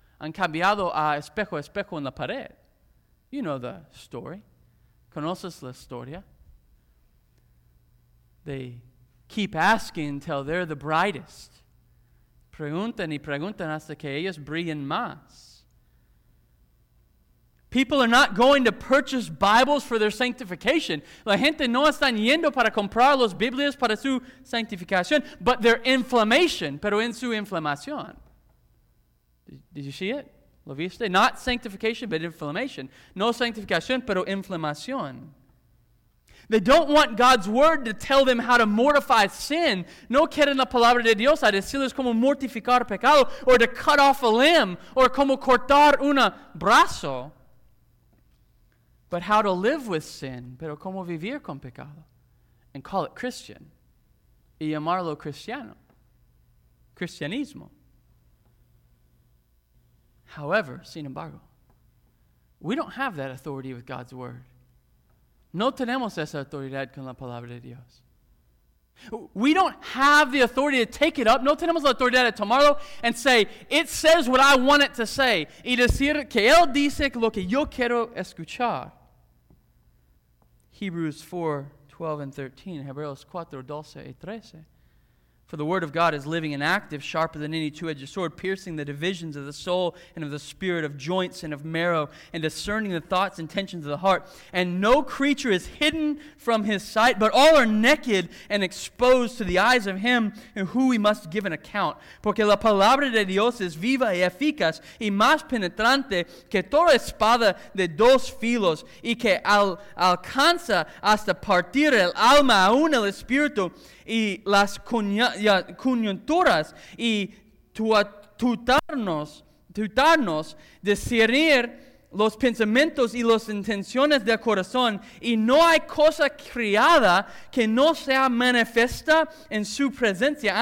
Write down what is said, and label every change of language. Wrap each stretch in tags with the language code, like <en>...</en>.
<es>Han cambiado a espejo, espejo en la pared.</es> <en>You know the story.</en> <es>¿Conoces la historia?</es> <en>They keep asking until they're the brightest.</en> <es>Preguntan y preguntan hasta que ellos brillen más.</es> <en>People are not going to purchase Bibles for their sanctification.</en> <es>La gente no está yendo para comprar los Biblias para su sanctificación,</es> <en>but their inflammation,</en> <es>pero en su inflamación.</es> <en>Did you see it?</en> <es>¿Lo viste?</es> <en>Not sanctification, but inflammation.</en> <es>No sanctificación, pero inflamación.</es> <en>They don't want God's word to tell them how to mortify sin.</en> <es>No quieren la palabra de Dios a decirles cómo mortificar pecado,</es> <en>or to cut off a limb, or</en> <es>cómo cortar un brazo.</es> <en>But how to live with sin,</en> <es>pero cómo vivir con pecado.</es> <en>And call it Christian.</en> <es>Y llamarlo cristiano. Cristianismo.</es> <en>However,</en> <es>sin embargo,</es> <en>we don't have that authority with God's word.</en> <es>No tenemos esa autoridad con la palabra de Dios.</es> <en>We don't have the authority to take it up.</en> <es>No tenemos la autoridad de tomarlo</es> <en>and say, it says what I want it to say.</en> <es>Y decir que él dice lo que yo quiero escuchar.</es> <en>Hebrews 4, 12 and 13.</en> <es>Hebreos 4, 12 y 13.</es> <en>For the word of God is living and active, sharper than any two-edged sword, piercing the divisions of the soul and of the spirit, of joints and of marrow, and discerning the thoughts and intentions of the heart. And no creature is hidden from his sight, but all are naked and exposed to the eyes of him in whom we must give an account.</en> <es>Porque la palabra de Dios es viva y eficaz, y más penetrante que toda espada de dos filos, y que alcanza hasta partir el alma aún el espíritu, y las coyunturas y tutarnos, discernir los pensamientos y las intenciones del corazón, y no hay cosa criada que no sea manifiesta en su presencia.</es>